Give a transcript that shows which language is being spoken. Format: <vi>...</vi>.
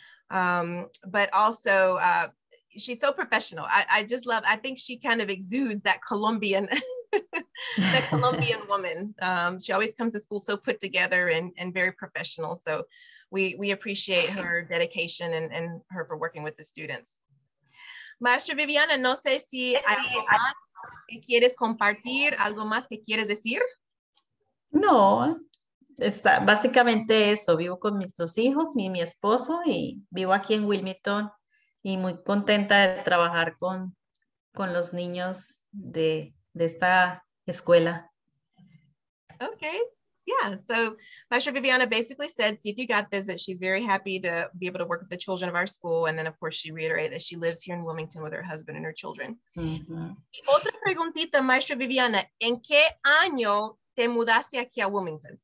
<en>But also, she's so professional. I think she kind of exudes that Colombian, that Colombian woman. She always comes to school so put together and very professional. So we appreciate her dedication and her for working with the students.</en> <es>Maestra Viviana, no sé si hay algo más que quieres compartir, algo más que quieres decir. No, está básicamente eso. Vivo con mis dos hijos, mi esposo, y vivo aquí en Wilmington y muy contenta de trabajar con los niños de esta escuela.</es> <en>Okay, yeah. So Maestra Viviana basically said, see if you got this, that she's very happy to be able to work with the children of our school. And then of course she reiterated that she lives here in Wilmington with her husband and her children. Mm-hmm.</en> <es>Y otra preguntita, Maestra Viviana, ¿en qué año te mudaste aquí a Wilmington?</es>